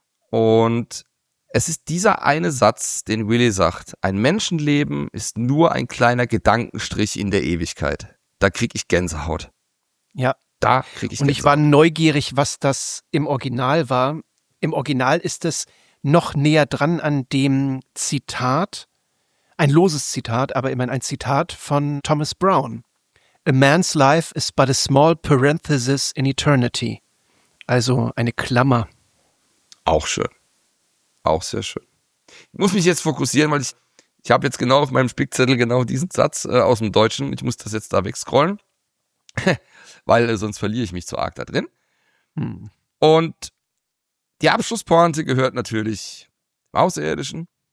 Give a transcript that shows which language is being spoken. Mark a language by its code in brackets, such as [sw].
[de] Und es ist dieser eine Satz, den Willi sagt, ein Menschenleben ist nur ein kleiner Gedankenstrich in der Ewigkeit. Da krieg ich Gänsehaut. Ja. Da krieg ich Gänsehaut. Und ich war neugierig, was das im Original war. Im Original ist es noch näher dran an dem Zitat, ein loses Zitat, aber immerhin ein Zitat von Thomas Brown. [en] A man's life is but a small parenthesis in eternity. [de] Also eine Klammer. Auch schön. Auch sehr schön. Ich muss mich jetzt fokussieren, weil ich habe jetzt genau auf meinem Spickzettel genau diesen Satz aus dem Deutschen. Ich muss das jetzt da wegscrollen, weil sonst verliere ich mich zu arg da drin. Hm. Und die Abschlusspointe gehört natürlich dem Außerirdischen.